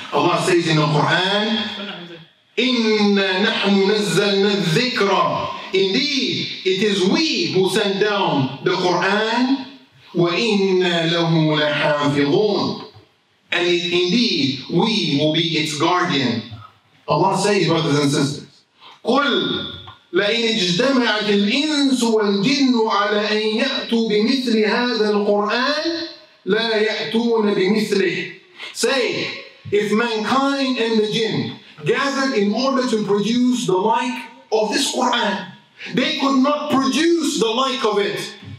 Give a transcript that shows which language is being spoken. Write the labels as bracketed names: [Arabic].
[English] Allah says in the Quran, [Arabic] إِنَّا نَحْنُ نَزَّلْنَا الذِّكْرَ. [English] Indeed, it is we who sent down the Quran. [Arabic] وَإِنَّا لَهُ لَحَافِظُونَ. [English] And indeed, we will be its guardian. Allah says, brothers and sisters, [Arabic] قُلْ لَإِنْ اجْتَمَعَتِ الْإِنسُ وَالْجِنُّ عَلَىٰ أَنْ يَأْتُوا بِمِثْلِ هَذَا الْقُرْآنِ لَا يَأْتُونَ بِمِثْلِهِ. [English] Say, if mankind and the jinn gathered in order to produce the like of this Quran, they could not produce the like of it.